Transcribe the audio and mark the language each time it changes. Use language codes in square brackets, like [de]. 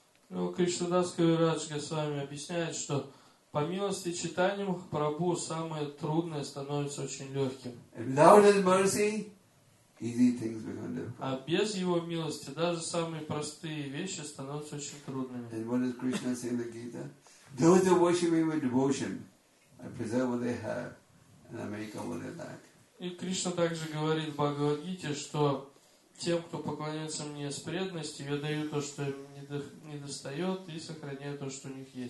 [ru] Ну, Кришна Дас Кавирадж Госвами объясняет, что по милости Чайтаньи Махапрабху самое трудное становится очень легким. [en] Without his mercy, easy things become difficult. [ru] А без его милости даже самые простые вещи становятся очень трудными. [en] And what does Krishna say in the Gita? Those who worship me with devotion, I preserve what they have and I make up what they lack. [ru] И Кришна также говорит в Бхагавад-гите, что тем, кто поклоняется мне с преданностью, я даю то, что им недостает, и сохраняю то, что у них